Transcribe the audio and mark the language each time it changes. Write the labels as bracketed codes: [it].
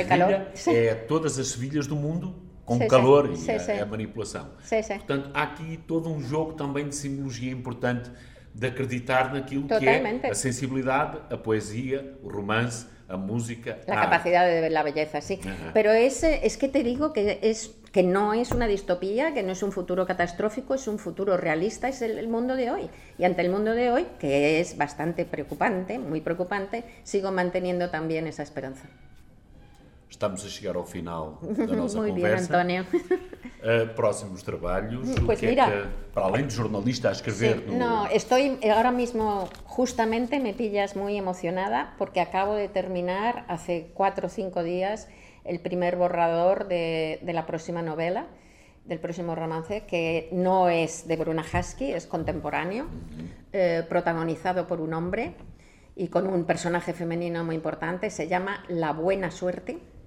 [es] el calor. [pt] É todas as Sevilhas do mundo com calor e a manipulação. Portanto, há aqui todo um jogo também de simbologia importante de acreditar naquilo Totalmente. Que é a sensibilidade, a poesia, o romance, a música, a capacidade de ver a beleza, sim. [es] Pero es que te digo que es que no es una distopía, que no es un futuro catastrófico, es un futuro realista, es el mundo de hoy. Y ante el mundo de hoy, que es bastante preocupante, muy preocupante, sigo manteniendo también esa esperanza. [pt] Estamos a chegar ao final da nossa [es] Muy [pt] conversa. [es] Muy bien, António. [pt] Próximos trabalhos. [es] Pues que mira. [pt] É que, para além de jornalista, a escrever... [es] Sí, no, estoy ahora mismo, justamente me pillas muy emocionada, porque acabo de terminar hace 4 o 5 días el primer borrador de la próxima novela, del próximo romance, que no es de Bruna Husky, es contemporáneo, protagonizado por un hombre y con un personaje femenino muy importante, se llama La buena suerte.